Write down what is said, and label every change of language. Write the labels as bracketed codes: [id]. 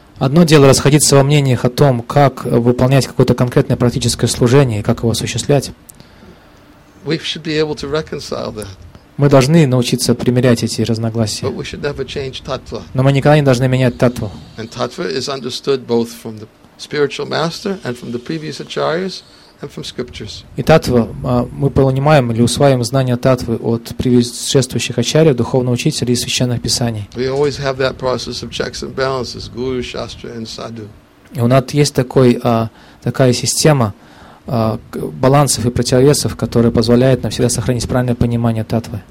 [ru] Одно дело расходиться во мнениях о том, как выполнять какое-то конкретное практическое служение и как его осуществлять. [en] We should be able to reconcile that. [ru] Мы должны научиться примирять эти разногласия. Но мы никогда не должны менять таттву. [en] And taattva is understood both from the spiritual master and from the previous acharyas and from scriptures. [ru] И таттва, мы понимаем или усваиваем знания таттвы от предшествующих ачарий, духовного учителя и священных писаний. [en] We always have that process of checks and balances, guru, shastra and sadhu. [ru] И у нас есть такая система балансов и противовесов, которые позволяют нам всегда сохранить правильное понимание таттвы.